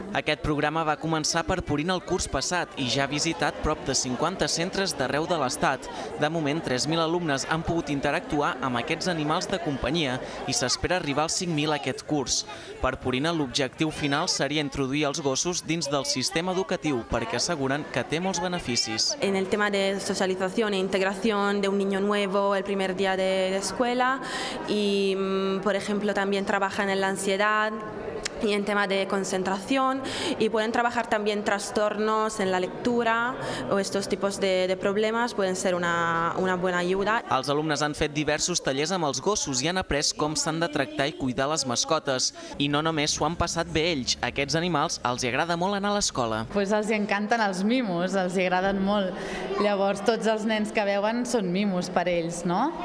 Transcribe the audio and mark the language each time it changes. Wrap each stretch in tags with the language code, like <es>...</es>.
<ca>Aquest programa va començar per Purina el curs passat i ja ha visitat prop de 50 centres d'arreu de l'Estat. De moment, 3.000 alumnes han pogut interactuar amb aquests animals de companyia i s'espera arribar als 5.000 aquest curs. Per Purina, l'objectiu final seria introduir els gossos dins del sistema educatiu perquè asseguren que té molts beneficis. En el tema de socialització i integració d'un</ca> <es>niño nuevo el primer dia de escuela y, por ejemplo, también trabajan en la ansiedad y en tema de concentración y pueden trabajar también trastornos en la lectura o estos tipos de problemas pueden ser una buena ayuda.</es> <ca>Els alumnes han fet diversos tallers amb els gossos i han après com s'han de tractar i cuidar les mascotes. I no només s'ho han passat bé ells, aquests animals els agrada molt anar a l'escola. Pues els encanten els mimos, els agraden molt. Llavors tots els nens que veuen són mimos per ells, no?</ca>